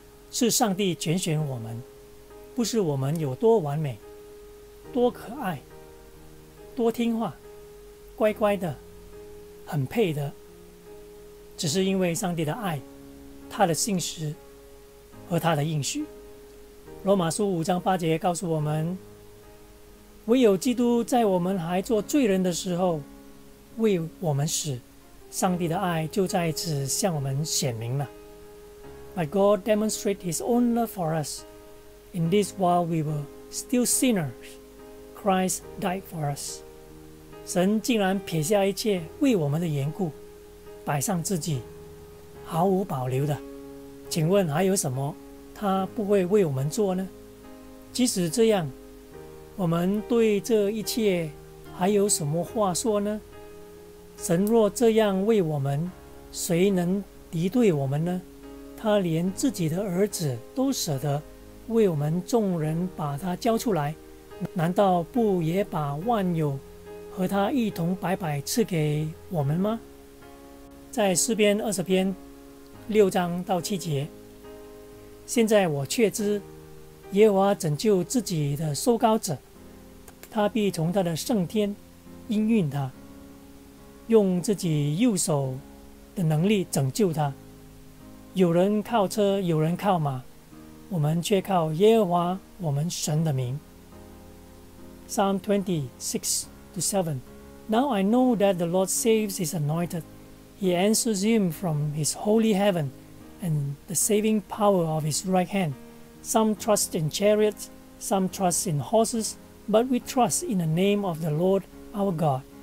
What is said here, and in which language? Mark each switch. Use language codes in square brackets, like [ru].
[zh] 是上帝拣选我们，不是我们有多完美、多可爱、多听话、乖乖的、很配的，只是因为上帝的爱、他的信实和他的应许。罗马书5:8告诉我们，唯有基督在我们还做罪人的时候为我们死，上帝的爱就在此向我们显明了。 [en] But God demonstrated His own love for us in this while we were still sinners, Christ died for us. [zh] 神竟然撇下一切为我们的缘故，摆上自己，毫无保留的。请问还有什么他不会为我们做呢？即使这样，我们对这一切还有什么话说呢？神若这样为我们，谁能敌对我们呢？他连自己的儿子都舍得为我们众人把他交出来，难道不也把万有和他一同白白赐给我们吗？在诗篇20:6-7，现在我确知耶和华拯救自己的受膏者，他必从他的圣天应允他，用自己右手的能力拯救他。有人靠车，有人靠马，我们却靠耶和华我们神的名。 [en] Psalm 26:7， Now I know that the Lord saves His anointed. He answers him from His holy heaven and the saving power of His right hand. Some trust in chariots, some trust in horses, but we trust in the name of the Lord our God.